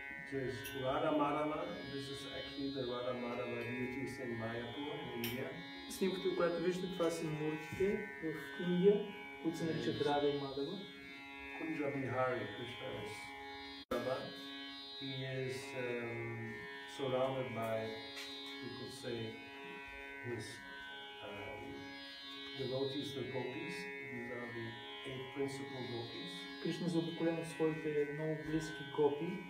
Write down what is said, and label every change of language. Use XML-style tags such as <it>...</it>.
<en>This Radha Madhava, this is actually the Radha Madhava deities in Mayapur, in India.</en> <bg>Снимката, която виждате, това са мурките в Индия, които се наричат Радха и Мадхава. Кунджа Бихари, Кришна is Радхава.</bg> <en>He is surrounded by, you could say, his devotees, the gopis. These are the eight principal gopis.</en> <bg>Кришна е заобиколен от своите много близки гопи.</bg>